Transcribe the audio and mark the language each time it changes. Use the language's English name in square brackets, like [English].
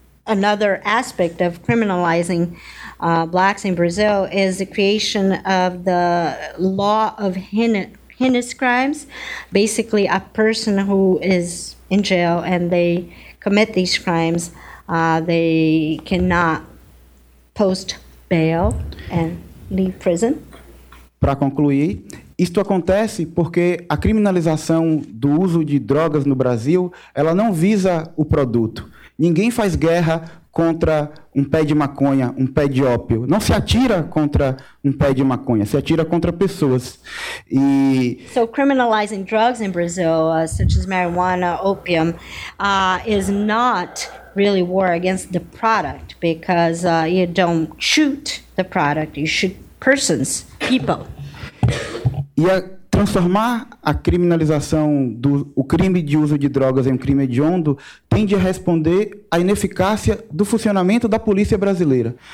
[English] Another aspect of criminalizing blacks in Brazil is the creation of the law of heinous crimes. Basically, a person who is in jail and they commit these crimes, they cannot post bail and leave prison. [Portuguese] Para concluir, isto acontece porque a criminalização do uso de drogas no Brasil, ela não visa o produto. Ninguém faz guerra contra um pé de maconha, um pé de ópio. Não se atira contra um pé de maconha, se atira contra pessoas. E... [English] So criminalizing drugs in Brazil, such as marijuana, opium, is not really war against the product, because you don't shoot the product, you shoot persons, people. [Portuguese] E a transformar a criminalização do o crime de uso de drogas em um crime hediondo tende a responder à ineficácia do funcionamento da polícia brasileira.